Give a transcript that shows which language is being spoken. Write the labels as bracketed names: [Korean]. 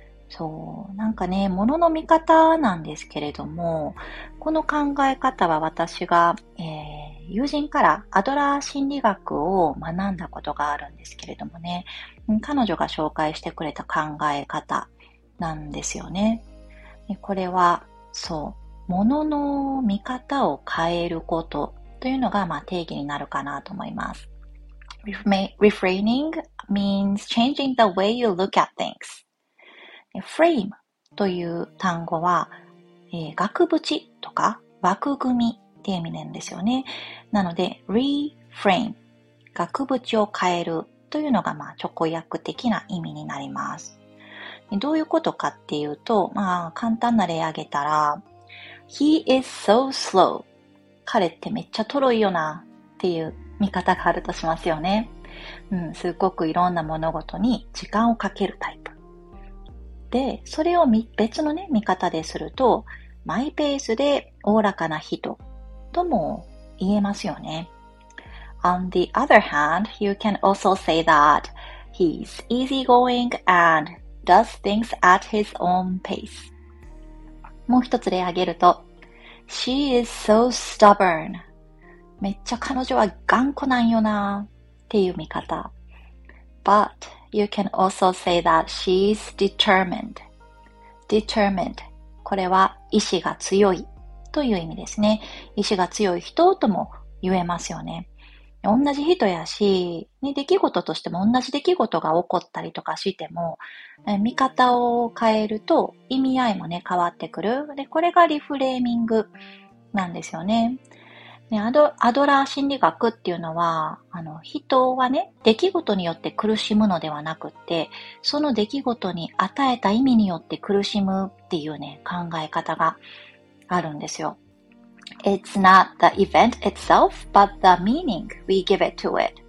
[Japanese] そう、なんかね、ものの見方なんですけれども、この考え方は私が、友人からアドラー心理学を学んだことがあるんですけれどもね、彼女が紹介してくれた考え方なんですよね。これは、そう、ものの見方を変えること、というのが、まあ、定義になるかなと思います。 [English] Reframing means changing the way you look at things. [Japanese] Frame という単語は、額縁とか枠組みって意味なんですよね。なので、reframe、額縁を変えるというのが、まあ、直訳的な意味になります。どういうことかっていうと、まあ、簡単な例あげたら、 [English] He is so slow. [Japanese] 彼ってめっちゃトロいよなっていう見方があるとしますよね。うん、すごくいろんな物事に時間をかけるタイプ。で、それを別のね、見方ですると、マイペースでおおらかな人とも言えますよね。 [English] On the other hand, you can also say that he's easygoing and does things at his own pace. [Japanese] もう一つ例挙げると、 [English] She is so stubborn. [Japanese] めっちゃ彼女は頑固なんよなっていう見方。 [English] But you can also say that she's determined. Determined. [Japanese] これは意志が強いという意味ですね。意志が強い人とも言えますよね。同じ人やし、ね、出来事としても同じ出来事が起こったりとかしても、見方を変えると意味合いもね、変わってくる。で、これがリフレーミングなんですよね。ね、アドラー心理学っていうのは、人はね、出来事によって苦しむのではなくって、その出来事に与えた意味によって苦しむっていうね、考え方があるんですよ。 [English] It's not the event itself, but the meaning we give it to it.